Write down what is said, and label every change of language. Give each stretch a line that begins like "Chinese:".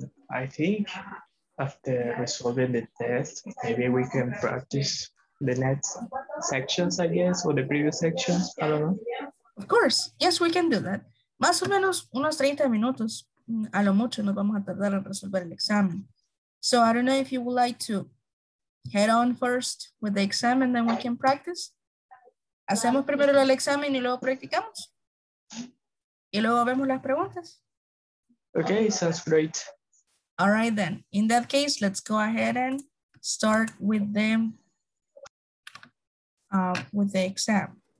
English: I think after resolving the test, maybe we can practice the next sections, I guess, or the previous sections, I don't know. Of course, yes, we can do that.
Spanish: Más o menos unos 30 minutos, a lo mucho nos vamos a tardar en resolver el examen.
English: So I don't know if you would like to head on first with the exam and then we can practice.
Spanish: Hacemos primero el examen y luego practicamos. Y luego vemos las preguntas.
English: Okay, sounds great. All right then. In that case, let's go ahead and start with them with the exam.